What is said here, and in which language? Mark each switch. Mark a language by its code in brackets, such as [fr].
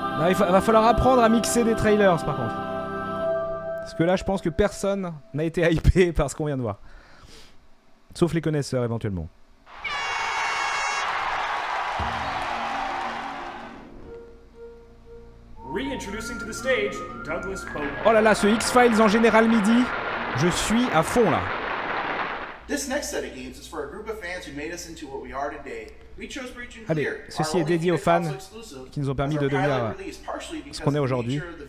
[fr] Il va falloir apprendre à mixer des trailers, par contre. Parce que là, je pense que personne n'a été hypé par ce qu'on vient de voir. Sauf les connaisseurs, éventuellement. [en] Reintroducing to the stage, Douglas Pope. [fr] Oh là là, ce X-Files en général midi. Je suis à fond, là. [en] This next set of games is for a group of fans who made us into what we are today. We chose Breach and Clear. [fr] Allez, ceci est dédié aux fans qui nous ont permis de devenir ce qu'on est aujourd'hui.